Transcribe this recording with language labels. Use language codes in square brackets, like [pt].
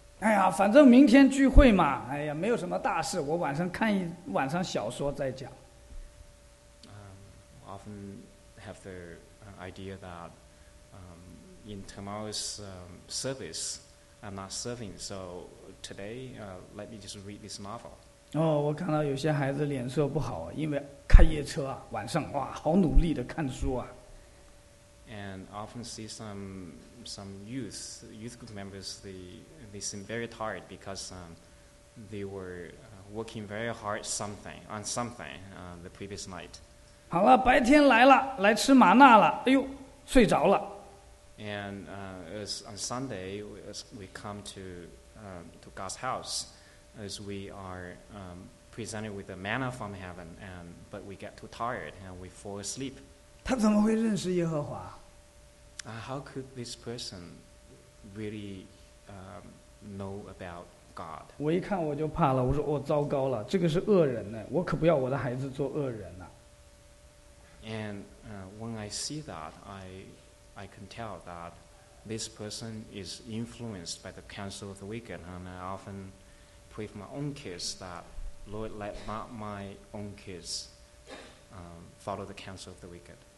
[zh] 哎呀，反正明天聚会嘛， 哎呀，没有什么大事， 我晚上看一晚上小说再讲。 [en] Often have the idea that in tomorrow's service I'm not serving, so today let me just read this novel. [zh] 哦，我看到有些孩子脸色不好， 因为开夜车啊， 晚上， 哇， 好努力的看书啊。 [en] And often see some youth group members, they seem very tired because they were working very hard on something the previous night. [zh] 好了， 白天来了， 来吃玛纳了， 哎呦， 睡着了。 [en] And on Sunday, as we come to God's house, as we are presented with the manna from heaven, but we get too tired and we fall asleep. [zh] 他怎么会认识耶和华？ [en] How could this person really know about God? [zh] 我一看我就怕了， 我说， 哦， 糟糕了， 这个是恶人呢， 我可不要我的孩子做恶人啊。 [en] And when I see that, I can tell that this person is influenced by the counsel of the wicked, and I often pray for my own kids that, Lord, let not my own kids follow the counsel of the wicked.